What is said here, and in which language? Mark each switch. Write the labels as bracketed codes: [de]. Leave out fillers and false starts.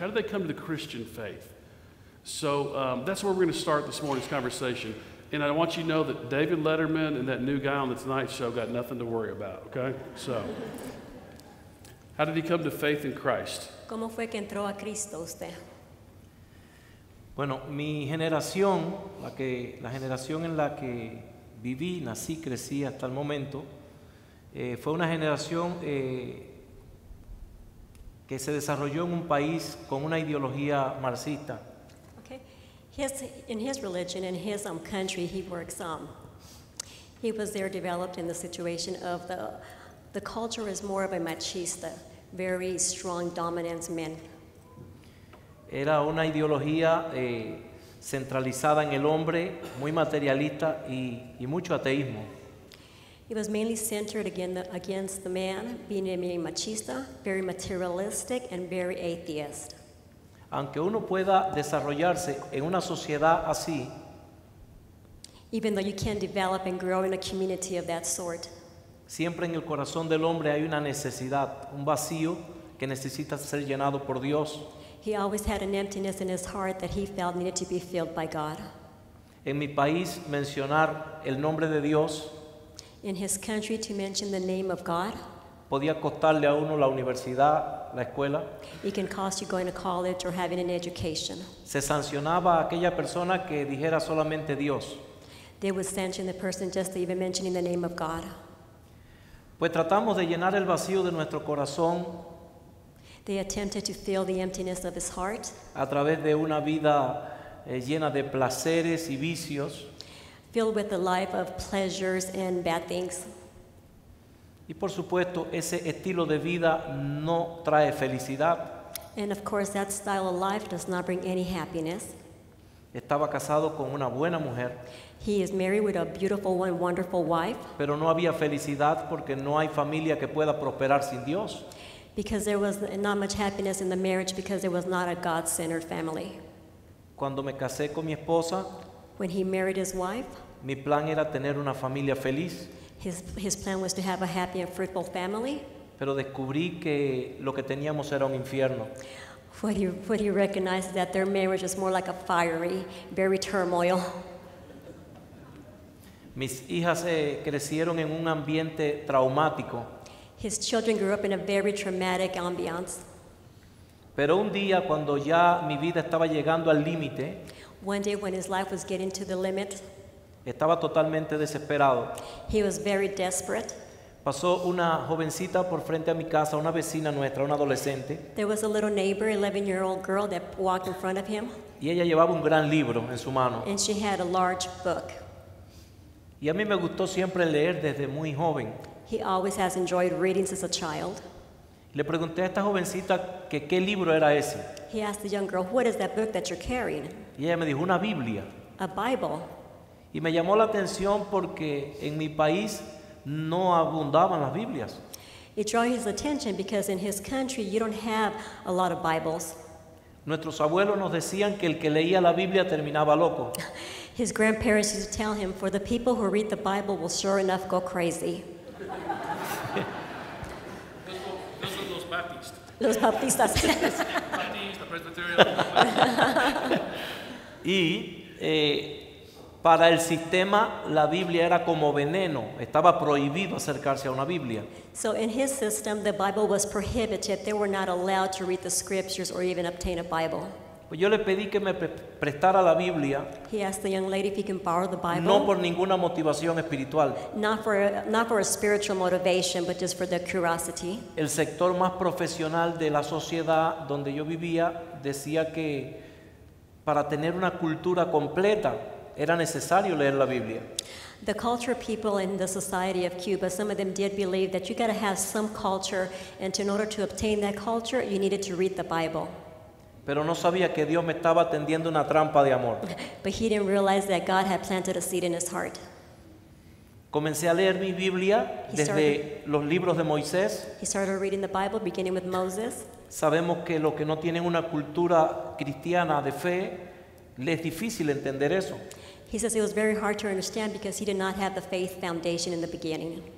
[en] How did they come to the Christian faith? So that's where we're going to start this morning's conversation. And I want you to know that David Letterman and that new guy on the Tonight Show got nothing to worry about, okay? So how did he come to faith in Christ? [es] ¿Cómo fue que entró a Cristo usted? Bueno, mi generación, la generación en la que viví, nací, crecí hasta el momento, fue una generación que se desarrolló en un país con una ideología marxista. [en] Okay. In his religion, in his country, he works. He was there developed in the situation of the culture is more of a machista, very strong dominance men. [es] Era una ideología centralizada en el hombre, muy materialista y mucho ateísmo. [en] It was mainly centered against the man, being a machista, very materialistic, and very atheist. [es] Aunque uno pueda desarrollarse en una sociedad así, [en] even though you can develop and grow in a community of that sort, [es] siempre en el corazón del hombre hay una necesidad, un vacío que necesita ser llenado por Dios. [en] He always had an emptiness in his heart that he felt needed to be filled by God. [es] En mi país, mencionar el nombre de Dios, [en] in his country, to mention the name of God, [es] podía costarle a uno la universidad, la escuela. [en] It can cost you going to college or having an education. [es] Se sancionaba a aquella persona que dijera solamente Dios. [en] They would sanction the person just even mentioning the name of God. [es] Pues tratamos de llenar el vacío de nuestro corazón. [en] They attempted to fill the emptiness of his heart. [es] A través de una vida llena de placeres y vicios. [en] Filled with a life of pleasures and bad things. [es] Y por supuesto, ese estilo de vida no trae felicidad. [en] And of course, that style of life does not bring any happiness. [es] Estaba casado con una buena mujer. [en] He is married with a beautiful and wonderful wife. [es] Pero no había felicidad porque no hay familia que pueda prosperar sin Dios. [en] Because there was not much happiness in the marriage because there was not a God-centered family. [es] Cuando me casé con mi esposa, [en] when he married his wife, [es] mi plan era tener una familia feliz. [en] His plan was to have a happy and fruitful family. [es] Pero descubrí que lo que teníamos era un infierno. [en] What he recognized is that their marriage is more like a fiery, very turmoil. [es] Mis hijas crecieron en un ambiente traumático. [en] His children grew up in a very traumatic ambiance. [es] Pero un día, cuando ya mi vida estaba llegando al límite, [en] one day when his life was getting to the limit, [es] estaba totalmente desesperado. [en] He was very desperate. [es] Pasó una jovencita por frente a mi casa, una vecina nuestra, una adolescente. [en] There was a little neighbor, 11-year-old girl, that walked in front of him. [es] Y ella llevaba un gran libro en su mano. [en] And she had a large book. [es] Y a mí me gustó siempre leer desde muy joven. [en] He always has enjoyed readings as a child. [es] Le pregunté a esta jovencita que qué libro era ese. [en] He asked the young girl, what is that book that you're carrying? [es] Y ella me dijo, una Biblia. [en] A Bible. [es] Y me llamó la atención porque en mi país no abundaban las Biblias. [en] It draw his attention because in his country you don't have a lot of Bibles. [es] Nuestros abuelos nos decían que el que leía la Biblia terminaba loco. [en] His grandparents used to tell him, for the people who read the Bible will sure enough go crazy. Those [es] son los baptistas. Los baptistas. Baptista, Presbyterian. Y para el sistema, la Biblia era como veneno. Estaba prohibido acercarse a una Biblia. [en] So in his system, the Bible was prohibited. They were not allowed to read the scriptures or even obtain a Bible. [es] Pues yo le pedí que me prestara la Biblia. [en] He asked the young lady if he can borrow the Bible. [es] No por ninguna motivación espiritual. [en] Not for a spiritual motivation, but just for the curiosity. [es] El sector más profesional de la sociedad donde yo vivía decía que para tener una cultura completa, era necesario leer la Biblia. [en] The culture people in the society of Cuba, some of them did believe that you got to have some culture, and in order to obtain that culture, you needed to read the Bible. [es] Pero no sabía que Dios me estaba tendiendo una trampa de amor. [en] But he didn't realize that God had planted a seed in his heart. [es] Comencé a leer mi Biblia desde los libros de Moisés. [en] He started reading the Bible beginning with Moses. [es] Sabemos que los que no tienen una cultura cristiana de fe, le es difícil entender eso. [en] He says it was very hard to understand because he did not have the faith foundation in the beginning.